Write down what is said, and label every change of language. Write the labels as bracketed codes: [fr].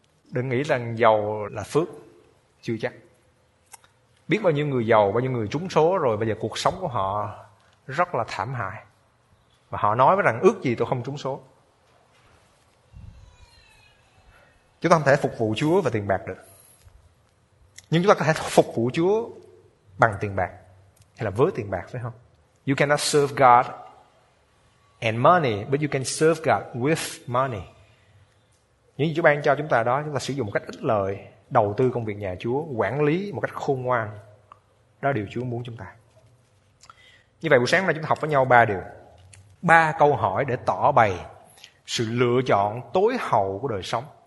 [vi] Đừng nghĩ rằng giàu là phước, chưa chắc. Biết bao nhiêu người giàu, bao nhiêu người trúng số rồi, bây giờ cuộc sống của họ rất là thảm hại. Và họ nói với rằng ước gì tôi không trúng số. Chúng ta không thể phục vụ Chúa và tiền bạc được. Nhưng chúng ta có thể phục vụ Chúa bằng tiền bạc. Hay là với tiền bạc, phải không? [en] You cannot serve God and money, but you can serve God with money. [vi] Những gì Chúa ban cho chúng ta đó, chúng ta sử dụng một cách ích lợi, đầu tư công việc nhà Chúa, quản lý một cách khôn ngoan. Đó là điều Chúa muốn chúng ta. Như vậy buổi sáng hôm nay chúng ta học với nhau ba điều. Ba câu hỏi để tỏ bày sự lựa chọn tối hậu của đời sống.